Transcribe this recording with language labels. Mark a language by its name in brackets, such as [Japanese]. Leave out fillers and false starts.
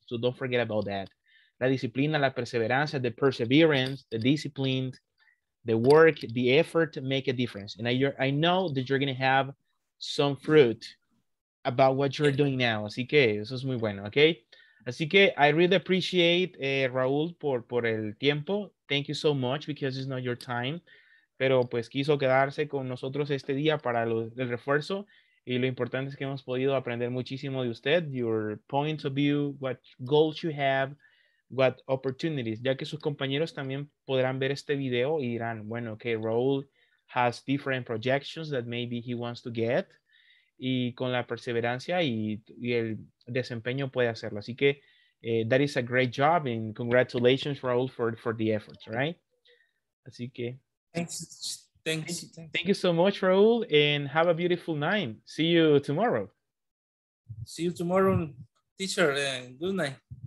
[English] So don't forget about that. [Spanish] La disciplina, la perseverancia, [English] the perseverance, the discipline, the work, the effort make a difference. And I know that you're going to have some fruit about what you're doing now. [Spanish] Así que eso es muy bueno, okay? Así que [English] I really appreciate [Spanish] Raúl por el tiempo. [English] Thank you so much because it's not your time. [Spanish] Pero pues quiso quedarse con nosotros este día para el refuerzo. Y lo importante es que hemos podido aprender muchísimo de usted. [English] Your points of view, what goals you have, what opportunities. [Spanish] Ya que sus compañeros también podrán ver este video y dirán, bueno, okay, [English] Raúl has different projections that maybe he wants to get. [Spanish] Y con la perseverancia y el desempeño puede hacerlo. Así que [English] that is a great job and congratulations, Raúl, for the efforts, right? [Spanish] Así que. [English] Thanks. Thank you so much, Raúl, and have a beautiful night. See you tomorrow. See you tomorrow, teacher. Good night.